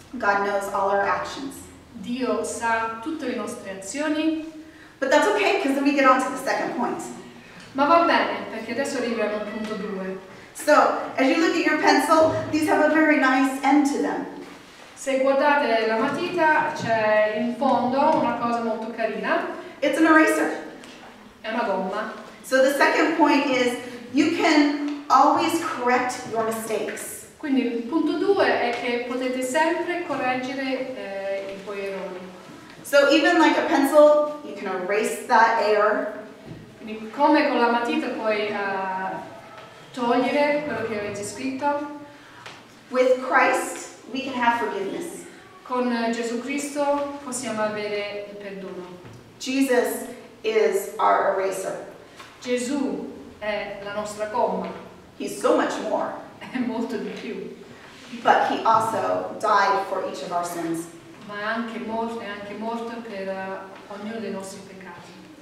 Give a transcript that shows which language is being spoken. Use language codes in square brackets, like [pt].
[en] God knows all our actions. [it] Dio sa tutte le nostre azioni. [en] But that's okay, because then we get on to the second point. [it] Ma va bene, perché adesso arriviamo al punto due. [en] So, as you look at your pencil, these have a very nice end to them. [it] Se guardate la matita, c'è in fondo una cosa molto carina. [en] It's an eraser. [it] È una gomma. [en] So the second point is, you can always correct your mistakes. [it] Quindi il punto 2 è che potete sempre correggere i vostri errori. [en] So even like a pencil, you can erase that error. [it] Quindi come con la matita puoi togliere quello che avete scritto. [en] With Christ, we can have forgiveness. [it] Con Gesù Cristo possiamo avere il perdono. [en] Jesus is our eraser. [it] Gesù è la nostra gomma. [en] He's so much more. [it] È molto di più. [en] But he also died for each of our sins. [it] Ma è anche morto per ognuno dei nostri peccati.